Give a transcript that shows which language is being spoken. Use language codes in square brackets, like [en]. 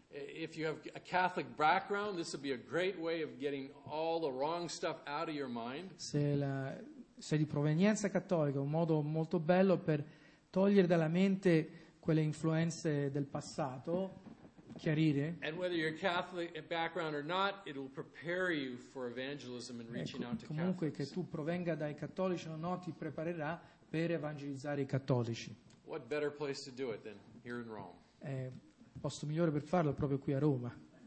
[en] If you have a Catholic background, this will be a great way of getting all the wrong stuff out of your mind. [it] Se sei di provenienza cattolica, un modo molto bello per togliere dalla mente quelle influenze del passato. Chiarire. [en] And whether you're Catholic background or not, it will prepare you for evangelism and reaching out to Catholics. [it] Comunque che tu provenga dai cattolici o no, ti preparerà per evangelizzare i cattolici. [en] What better place to do it than here in Rome? [it] Posto migliore per farlo proprio qui a Roma.